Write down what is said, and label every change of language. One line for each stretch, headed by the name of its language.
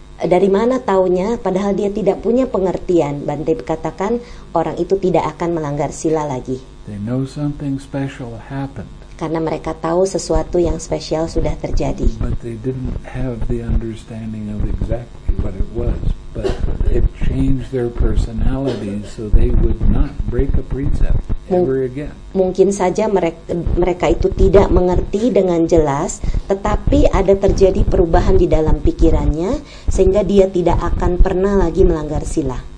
Indonesian: Dari mana taunya, padahal dia tidak punya pengertian. Bante katakan, orang itu tidak akan melanggar sila lagi.
English: They know something special happened.
Indonesian: Karena mereka tahu sesuatu yang spesial sudah terjadi.
English: But they didn't have the understanding of exactly what it was. But it changed their personality, so they would not break a precept ever again.
Indonesian: Mungkin saja mereka itu tidak mengerti dengan jelas, tetapi ada terjadi perubahan di dalam pikirannya, sehingga dia tidak akan pernah lagi melanggar sila.